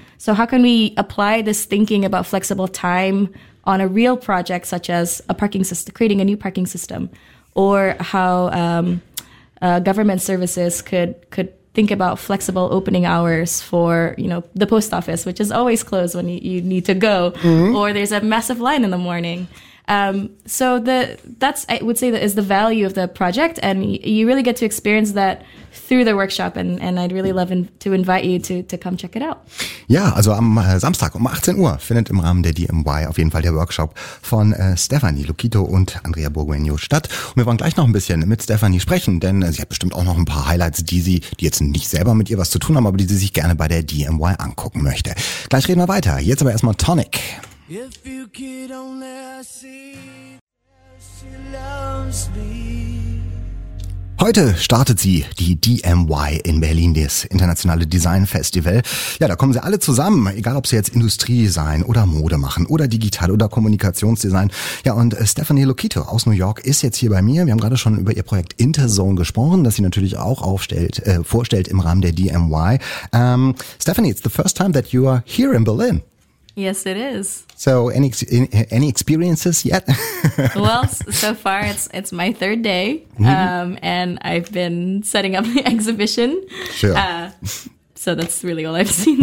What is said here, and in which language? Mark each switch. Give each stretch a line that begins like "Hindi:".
English: So how can we apply this thinking about flexible time on a real project such as a parking system, creating a new parking system, or how government services could think about flexible opening hours for, you know, the post office, which is always closed when you need to go, mm-hmm. or there's a massive line in the morning. So that's, I would say, that is the value of the project, and you really get to experience that through the workshop, and I'd really love to invite you to come check it out.
German: Ja, also am Samstag um 18 Uhr findet im Rahmen der DMY auf jeden Fall der Workshop von Stephanie Lucchito und Andrea Borgueno statt. Und wir wollen gleich noch ein bisschen mit Stephanie sprechen, denn sie hat bestimmt auch noch ein paar Highlights, die jetzt nicht selber mit ihr was zu tun haben, aber die sie sich gerne bei der DMY angucken möchte. Gleich reden wir weiter, jetzt aber erstmal Tonic.
English: If you could only see, she loves me.
German: Heute startet sie die DMY in Berlin, das internationale Design Festival. Ja, da kommen sie alle zusammen, egal ob sie jetzt Industriedesign oder Mode machen oder Digital oder Kommunikationsdesign. Ja, und Stephanie Lucchito aus New York ist jetzt hier bei mir. Wir haben gerade schon über ihr Projekt Interzone gesprochen, das sie natürlich auch vorstellt im Rahmen der DMY.
English: Stephanie, it's the first time that you are here in Berlin. Yes, it is. So, any experiences yet? Well, so far it's my third day, mm-hmm. And I've been setting up the exhibition. Sure. So that's really all I've seen.